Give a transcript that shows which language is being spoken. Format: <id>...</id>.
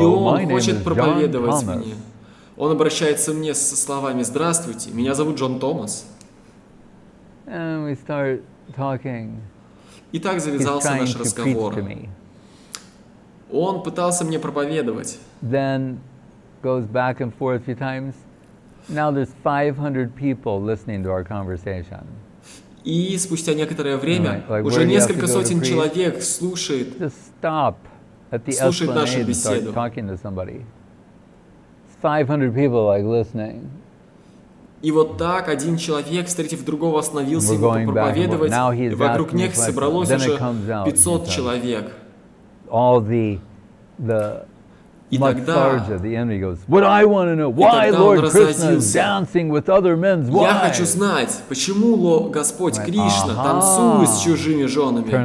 <ru>и он хочет проповедовать мне. Он обращается мне со словами: «Здравствуйте, меня зовут Джон Томас».</ru> <en>And we start talking.</en> <ru>И так завязался наш разговор. Он пытался мне проповедовать.</ru> <en>Then goes back and forth a few times. Now there's 500 people listening to our conversation.</en> <ru>И спустя некоторое время уже несколько сотен человек слушает.</ru> <en>Just stop at the Esplanade and start talking to somebody. 500 people like listening.</en> <ru>И вот так один человек, встретив другого, остановился его проповедовать, и вокруг них собралось уже 500 человек.</ru> <en>All the</en> <ru>И тогда,</ru> <en>Sarja, the enemy goes, What I want to know, why Lord Krishna is dancing with other men's wives?</en> <ru>Я хочу знать, почему Господь Кришна танцует с чужими женами?</ru>